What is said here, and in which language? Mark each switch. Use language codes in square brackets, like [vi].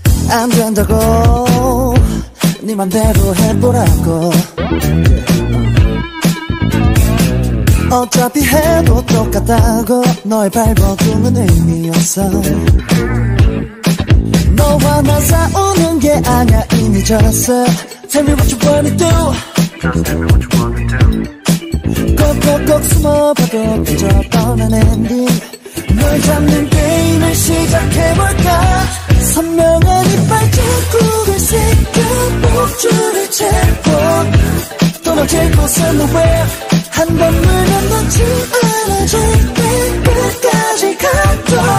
[ko] 안 된다고 네 맘대로 해보라고 어차피 해도 똑같다고 너의 발버둥은 의미 없어 너와 나 싸우는 게 아냐 이미 졌어 [en] Tell me what you wanna do Just tell me what you wanna do [ko] 꼭꼭꼭 숨어봐도 그저 뻔한 엔딩 널 잡는 게임을 시작해볼까 선명한 이빨 꿈을 새겨 목줄을 채워 떨어질 곳은 nowhere 한 번 물면 넣지 않아 절대 끝까지 가도